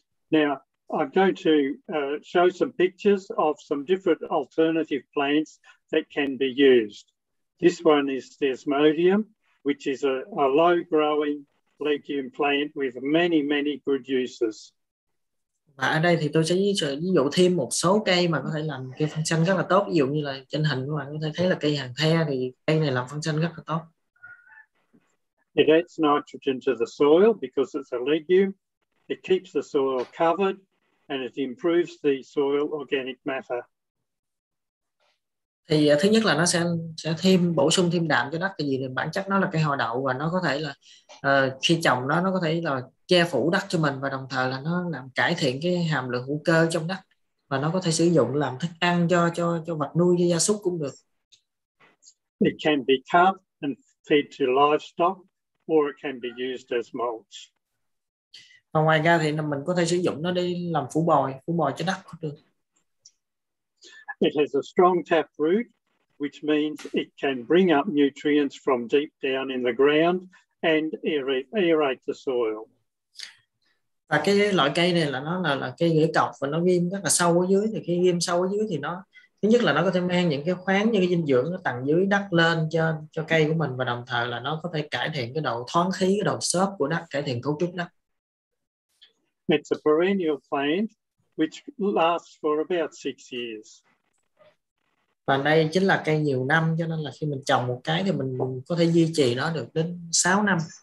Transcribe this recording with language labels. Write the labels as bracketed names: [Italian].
[English] Now I'm going to show some pictures of some different alternative plants that can be used. This one is Desmodium, which is a low growing legume plant with many many good uses. [Vietnamese] Và ở đây thì tôi sẽ ví dụ thêm một số cây mà có thể làm cây phân xanh rất là tốt. Ví dụ như là trên hình các bạn có thể thấy là cây hàng the, thì cây này làm phân xanh rất là tốt. [English] It adds nitrogen to the soil because it's a legume. It keeps the soil covered and it improves the soil organic matter. [Vietnamese] Thì thứ nhất là nó sẽ thêm bổ sung thêm đạm cho đất, tại vì bản chất nó là cây hồi đậu và nó có thể là khi trồng nó có thể là che phủ đất cho mình, và đồng thời là nó làm cải thiện cái hàm lượng hữu cơ trong đất, và nó có thể sử dụng làm thức ăn cho vật nuôi, cho gia súc cũng được. [English] It can be cut and fed to livestock or it can be used as mulch. [Vietnamese] Và ngoài ra thì mình có thể sử dụng nó để làm phủ bồi cho đất cũng được. [English] It has a strong tap root, which means it can bring up nutrients from deep down in the ground and aerate the soil. [Vietnamese] Và cái loại cây này là nó là cây rễ cọc và nó ghim rất là sâu ở dưới. Thì khi ghim sâu ở dưới thì nó thứ nhất là nó có thể mang những cái khoáng, những cái dinh dưỡng nó tầng dưới đất lên cho cây của mình, và đồng thời là nó có thể cải thiện cái độ thoáng khí, cái độ xốp của đất, cải thiện cấu trúc đất. [English] It's a perennial plant which lasts for about 6 years. [Vietnamese] Và đây chính là cây nhiều năm, cho nên là khi mình trồng một cái thì mình có thể duy trì nó được đến 6 năm.